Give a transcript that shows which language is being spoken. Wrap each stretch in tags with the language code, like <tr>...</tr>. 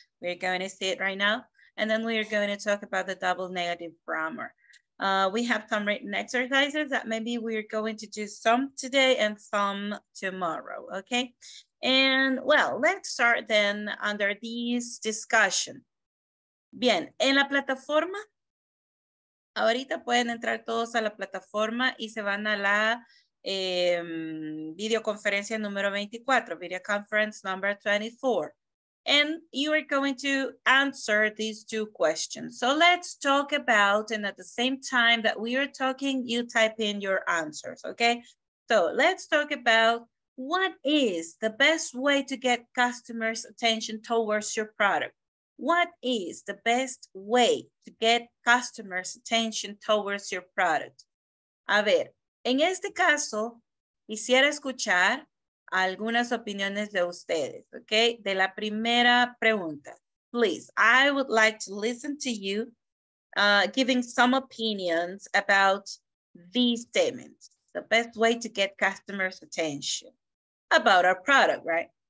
<en>We're going to see it right now. And then we are going to talk about the double negative grammar. We have some written exercises that maybe we're going to do some today and some tomorrow, okay? And well, let's start then under this discussion.</en> <es>Bien, en la plataforma, ahorita pueden entrar todos a la plataforma y se van a la videoconferencia número 24,</es> <en>video conference number 24. And you are going to answer these two questions. So let's talk about, and at the same time that we are talking, you type in your answers, okay? So let's talk about what is the best way to get customers' attention towards your product? What is the best way to get customers' attention towards your product?</en> <es>A ver, en este caso, quisiera escuchar algunas opiniones de ustedes, okay? De la primera pregunta.</es> <en>Please, I would like to listen to you giving some opinions about these statements. The best way to get customers' attention about our product, right?</en>